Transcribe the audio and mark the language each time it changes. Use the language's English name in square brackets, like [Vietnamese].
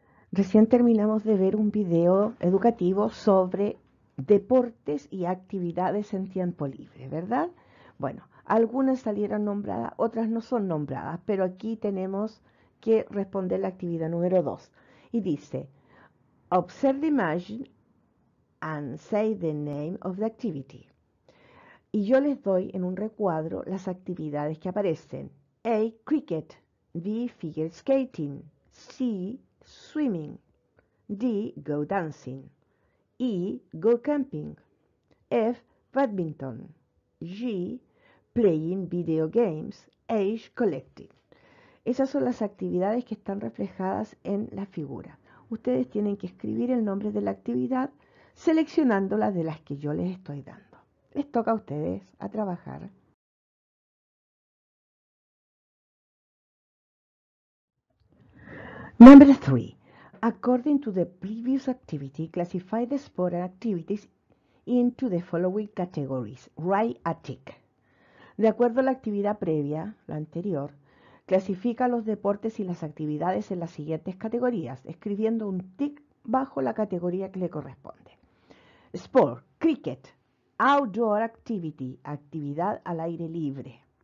[Spanish] Recién terminamos de ver un video educativo sobre deportes y actividades en tiempo libre, ¿verdad? Bueno, algunas salieron nombradas, otras no son nombradas, pero aquí tenemos que responder la actividad número 2. Y dice, [English] observe the image and say the name of the activity. [Spanish] Y yo les doy en un recuadro las actividades que aparecen. [English] A, cricket. B, figure skating. C, swimming. D, go dancing. E, go camping. F, badminton. G, playing video games. H, collecting. [Spanish] Esas son las actividades que están reflejadas en la figura. Ustedes tienen que escribir el nombre de la actividad seleccionando las de las que yo les estoy dando. Les toca a ustedes a trabajar. [English] Number 3. According to the previous activity, classify the sport and activities into the following categories. Write a tick. [Spanish] De acuerdo a la actividad previa, la anterior, clasifica los deportes y las actividades en las siguientes categorías, escribiendo un tick bajo la categoría que le corresponde. [English] Sport, cricket, outdoor activity, [Spanish] actividad al aire libre.